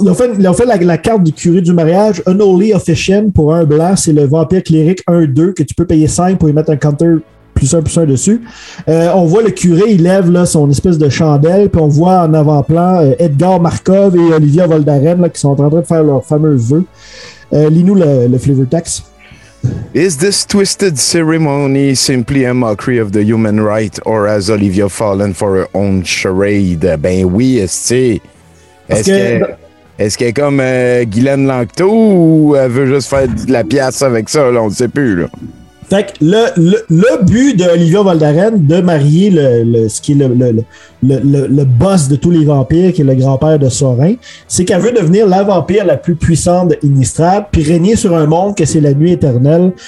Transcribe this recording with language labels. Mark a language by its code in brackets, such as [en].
[fr] Ils ont fait la carte du curé du mariage. Unholy Officiant pour un blanc, c'est le vampire cléric 1-2 que tu peux payer 5 pour y mettre un counter +1/+1 dessus. On voit le curé, il lève là, son espèce de chandelle, puis on voit en avant-plan Edgar Markov et Olivia Voldaren là, qui sont en train de faire leur fameux vœu. Lis-nous le flavor text. [en] Is this twisted ceremony simply a mockery of the human right, or has Olivia fallen for her own charade? [fr] Ben oui, est-ce qu'elle est comme Guylaine Langteau ou elle veut juste faire de la pièce avec ça? Là, on ne sait plus. Là. Fait que le but d'Olivia Voldaren de marier le boss de tous les vampires, qui est le grand-père de Sorin, c'est qu'elle veut devenir la vampire la plus puissante de Innistrad, puis régner sur un monde que c'est la nuit éternelle.